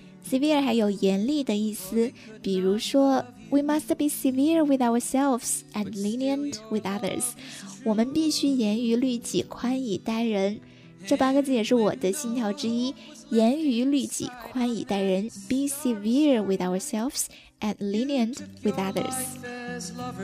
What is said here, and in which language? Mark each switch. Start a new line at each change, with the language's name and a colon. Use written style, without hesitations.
English: Severe
Chinese: 还有严厉的意思，比如说
English: We must be severe with ourselves and lenient with others.
Chinese: 我们必须严于律己，宽以待人。这八个字也是我的信条之一。严于律己，宽以待人。
English: Be severe with ourselves and lenient with others.